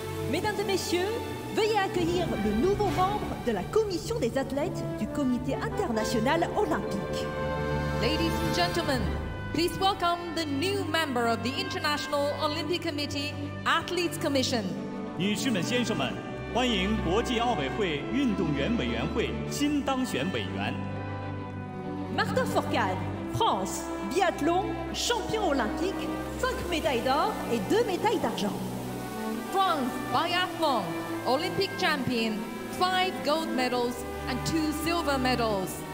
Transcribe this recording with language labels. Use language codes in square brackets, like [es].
[fr] Mesdames et messieurs, veuillez accueillir le nouveau membre de la commission des athlètes du Comité international olympique. [en] Ladies and gentlemen, please welcome the new member of the International Olympic Committee Athletes Commission. [zh] 女士们、先生们，欢迎国际奥委会运动员委员会新当选委员。 [fr] Martin Fourcade, France, biathlon, champion olympique, 5 médailles d'or et 2 médailles d'argent. [en] France biathlon Olympic champion, 5 gold medals and 2 silver medals.